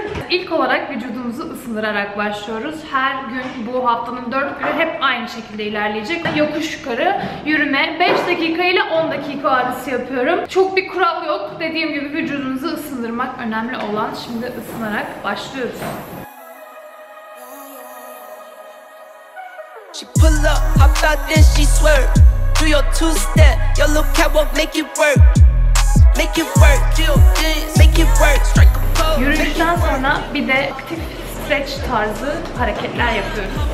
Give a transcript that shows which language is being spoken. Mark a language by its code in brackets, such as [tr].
[tr] İlk olarak vücudumuzu ısındırarak başlıyoruz. Her gün bu haftanın 4 günü hep aynı şekilde ilerleyecek. Yokuş yukarı yürüme. 5 dakika ile 10 dakika arası yapıyorum. Çok bir kural yok. Dediğim gibi vücudumuzu ısındırmak önemli olan. Şimdi ısınarak başlıyoruz. [en] She pull up, hop out then she swerve. Do your two step, your look at what make it work. Make it work, make it work, strike a pose. [tr] Yürüyüşten sonra bir de aktif stretch tarzı hareketler yapıyoruz.